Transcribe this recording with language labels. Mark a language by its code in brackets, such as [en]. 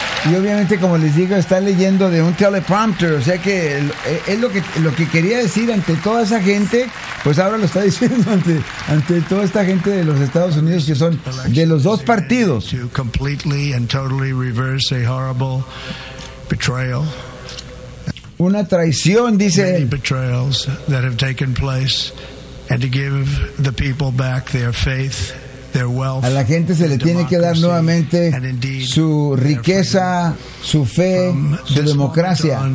[es] Y obviamente, como les digo, está leyendo de un teleprompter, o sea que es lo que quería decir ante toda esa gente, pues ahora lo está diciendo ante toda esta gente de los Estados Unidos, que son de los dos partidos. [en] To completely and totally reverse a horrible betrayal. [es] Una traición, dice él. [en] Many betrayals that have taken place, and to give the people back their faith. [es] A la gente se le tiene que dar nuevamente su riqueza, su fe, su democracia.